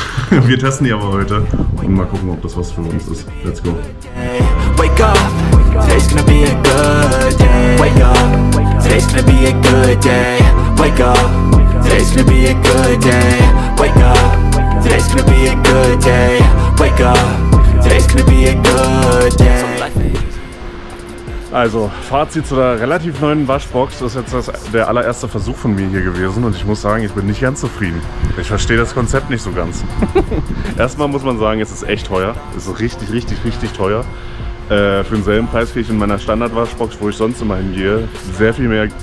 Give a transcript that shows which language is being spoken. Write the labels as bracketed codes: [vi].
[de] Wir testen die aber heute und mal gucken, ob das was für uns ist. [en] Let's go. Wake up, today's gonna be a good day. Wake up, today's gonna be a good day. Wake up. Today's gonna be a good day. Wake up. Today's gonna be a good day. Wake up. Today's gonna be a good day. [de] Also, Fazit zu der relativ neuen Waschbox, das ist jetzt der allererste Versuch von mir hier gewesen und ich muss sagen, ich bin nicht ganz zufrieden. Ich verstehe das Konzept nicht so ganz. Erstmal muss man sagen, es ist echt teuer. Es ist richtig, richtig, richtig teuer. Für denselben Preis kriege ich in meiner Standardwaschbox, wo ich sonst immer hingehe, sehr viel mehr.